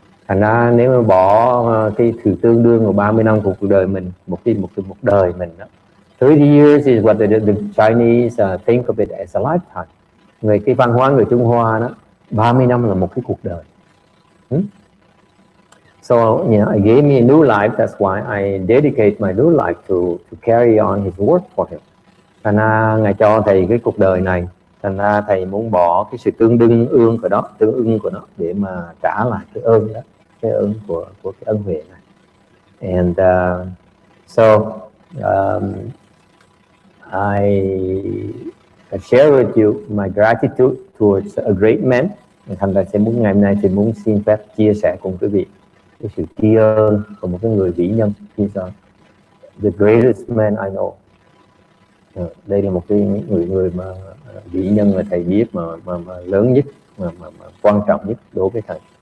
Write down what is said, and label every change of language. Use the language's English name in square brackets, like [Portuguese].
[Vietnamese] Thành ra nếu mà bỏ cái sự tương đương của 30 năm của cuộc đời mình, một đời mình đó. [English] 30 years is what the Chinese think of it as a lifetime. [Vietnamese] Người cái văn hóa người Trung Hoa đó, 30 năm là một cái cuộc đời. [English] So, you know, it gave me a new life. That's why I dedicate my new life to carry on his work for him. [Vietnamese] Thành ra Ngài cho Thầy cái cuộc đời này. Thành ra Thầy muốn bỏ cái sự tương ưng của nó để mà trả lại cái ơn đó, cái ơn của cái ân huệ này. [English] And I share with you my gratitude towards a great man. [Vietnamese] Thành ra sẽ muốn ngày hôm nay thì muốn xin phép chia sẻ cùng quý vị cái sự tri ân của một cái người vĩ nhân, [English] the greatest man I know. [Vietnamese] Đây là một cái người mà vĩ nhân mà Thầy biết mà lớn nhất, mà quan trọng nhất đối với Thầy.